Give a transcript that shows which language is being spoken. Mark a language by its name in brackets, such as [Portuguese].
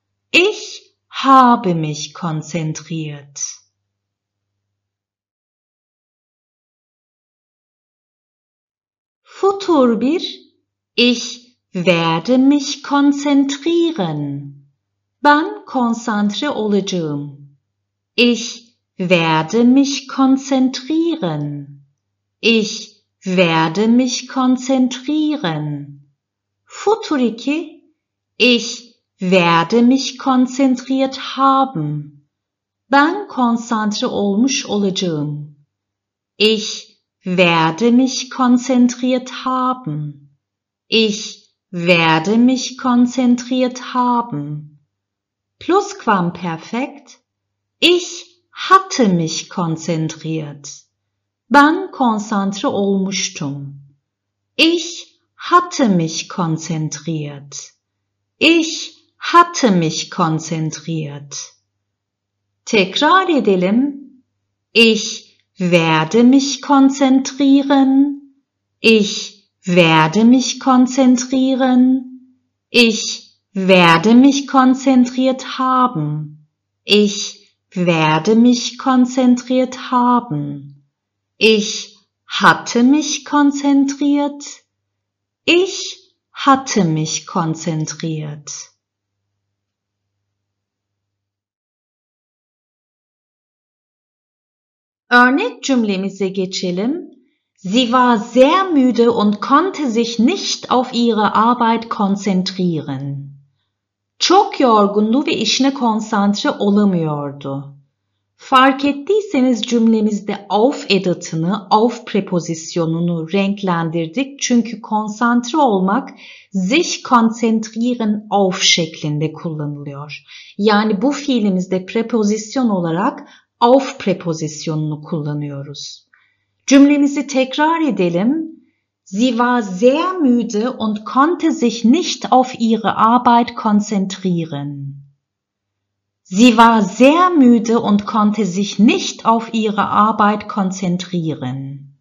[German] Ich habe mich konzentriert. Futur bir. Ich werde mich konzentrieren. [Turkish] Ben konsantre olacağım. [German] Ich werde mich konzentrieren. Ich werde mich konzentrieren. Futur iki. Ich werde mich konzentriert haben. [Turkish] Ben konsantre olmuş olacağım. [German] Ich werde mich konzentriert haben. Ich werde mich konzentriert haben. Plusquamperfekt. Ich hatte mich konzentriert. [Turkish] Ben konsantre olmuştum. [German] Ich hatte mich konzentriert. Ich hatte mich konzentriert. [Turkish] Tekrar edelim. [German] Ich werde mich konzentrieren. Ich werde mich konzentrieren. Ich werde mich konzentriert haben. Ich werde mich konzentriert haben. Ich hatte mich konzentriert. Ich hatte mich konzentriert. [Turkish] Örnek cümlemize geçelim. [German] Sie war sehr müde und konnte sich nicht auf ihre Arbeit konzentrieren. [Turkish] Çok yorgundu ve işine konsantre olamıyordu. Fark ettiyseniz cümlemizde auf edatını, auf prepozisyonunu renklendirdik. Çünkü konsantre olmak, sich konzentrieren auf şeklinde kullanılıyor. Yani bu fiilimizde prepozisyon olarak auf prepozisyonunu kullanıyoruz. Cümlemizi tekrar edelim. [German] Sie war sehr müde und konnte sich nicht auf ihre Arbeit konzentrieren. Sie war sehr müde und konnte sich nicht auf ihre Arbeit konzentrieren.